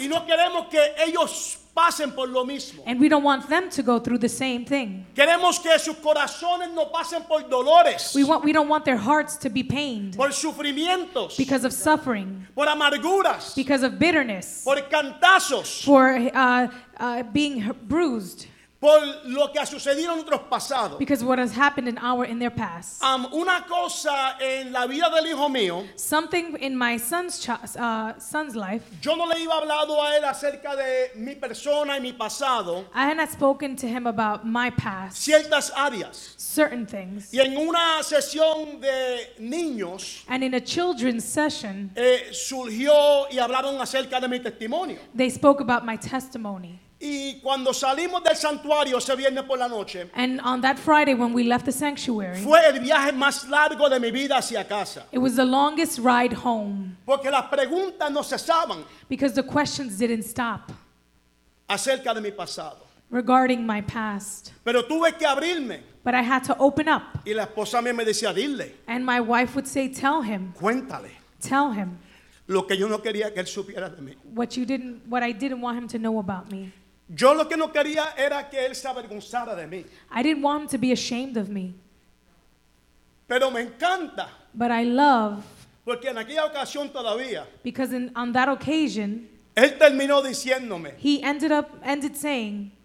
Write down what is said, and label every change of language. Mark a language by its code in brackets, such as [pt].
[es] Y no queremos que ellos pasen por lo mismo. [en] And we don't want them to go through the same thing. [es] Queremos que sus corazones no pasen por dolores. [en] We don't want their hearts to be pained. [es] Por sufrimientos. [en] Because of suffering. [es] Por amarguras. [en] Because of bitterness. [es] Por cantazos. [en] For being bruised. [es] Por lo que ha sucedido en otros pasados. [en] Because what has happened in their past. [es] Una cosa en la vida del hijo mío. [en] Something in my son's life. [es] Yo no le iba a hablar a él acerca de mi persona y mi pasado. [en] I had not spoken to him about my past. [es] Ciertas áreas. [en] Certain things. [es] Y en una sesión de niños. [en] And in a children's session. [es] Surgió y hablaron acerca de mi testimonio. [en] They spoke about my testimony. [es] Y cuando salimos del santuario ese viernes por la noche. [en] And on that Friday when we left the sanctuary. [es] Fue el viaje más largo de mi vida hacia casa. [en] It was the longest ride home. [es] Porque las preguntas no cesaban. [en] Because the questions didn't stop. [es] Acerca de mi pasado. [en] Regarding my past. [es] Pero tuve que abrirme. [en] But I had to open up. [es] Y la esposa mía me decía, dile. [en] And my wife would say, tell him. [es] Cuéntale. [en] Tell him. [es] Lo que yo no quería que él supiera de mí. [en] What I didn't want him to know about me. [es] Yo lo que no quería era que él se avergonzara de mí. [en] I didn't want him to be ashamed of me. [es] Pero me encanta. [en] But I love. [es] Porque en aquella ocasión todavía. [en] Because on that occasion. [es] Él terminó diciéndome. [en] He ended saying.